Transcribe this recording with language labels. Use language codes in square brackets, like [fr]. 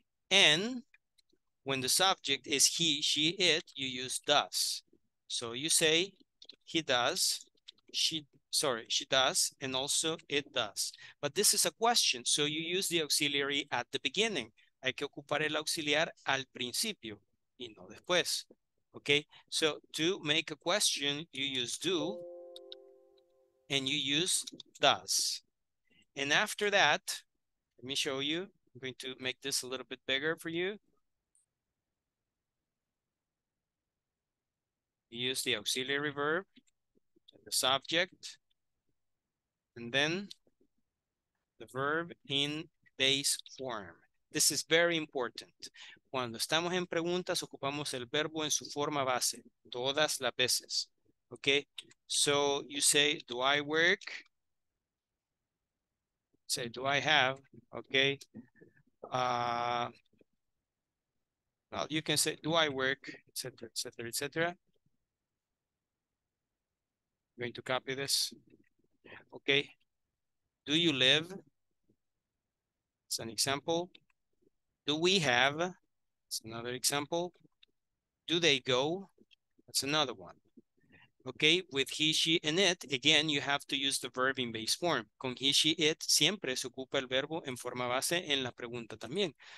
[en] And when the subject is he, she, it, you use does. So you say he does, she does, and also it does. But this is a question, so you use the auxiliary at the beginning. [es] Hay que ocupar el auxiliar al principio y no después. [en] Okay, so to make a question, you use do and you use does. And after that, let me show you. I'm going to make this a little bit bigger for you. You use the auxiliary verb, the subject, and then the verb in base form. This is very important. [es] Cuando estamos en preguntas, ocupamos el verbo en su forma base, todas las veces. [en] Okay, so you say, do I work? Say, do I have? Okay. Well, you can say, do I work, etc., etc., etc. I'm going to copy this. Okay. Do you live? It's an example. Do we have? It's another example. Do they go? That's another one. Okay, with he, she, and it, again, you have to use the verb in base form. [es] Con he, she, it, siempre se ocupa el verbo en forma base en la pregunta también.